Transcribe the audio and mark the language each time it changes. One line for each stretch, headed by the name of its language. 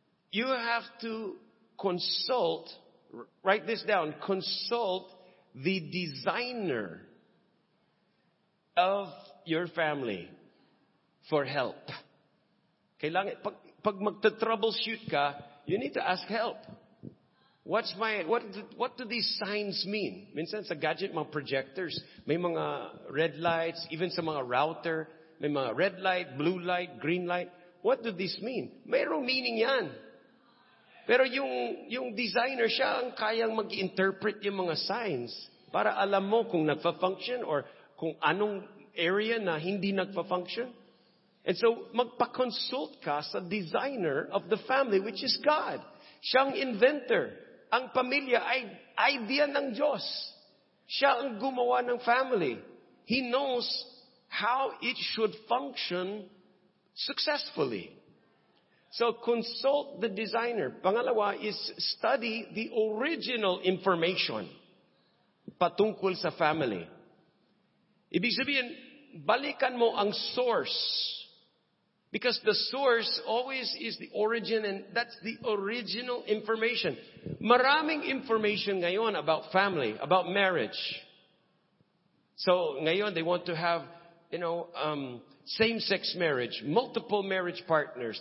English: You have to consult, write this down, consult the designer of your family for help.
Filipino: Kailangan, pag magta-troubleshoot ka,
English: you need to ask help. What do these signs mean?
Filipino: Minsan sa gadget, mga projectors, may mga red lights, even sa mga router, may mga red light, blue light, green light.
English: What do these mean?
Filipino: Mayroong meaning yan. Pero yung designer, siya ang kayang mag-interpret yung mga signs para alam mo kung nagpa-function or kung anong area na hindi nagpa-function. And so, magpa-consult ka sa
English: designer of the family, which is God.
Filipino: Siyang inventor. Ang pamilya ay idea ng Diyos. Siya ang gumawa ng family.
English: He knows how it should function successfully. So consult the designer.
Filipino: Pangalawa
English: is study the original information
Filipino: patungkol sa
English: family.
Filipino: Ibig sabihin, balikan mo ang source.
English: Because the source always is the origin and that's the original information.
Filipino: Maraming information ngayon
English: about family, about marriage. So ngayon they want to have, you know, same-sex marriage, multiple marriage partners.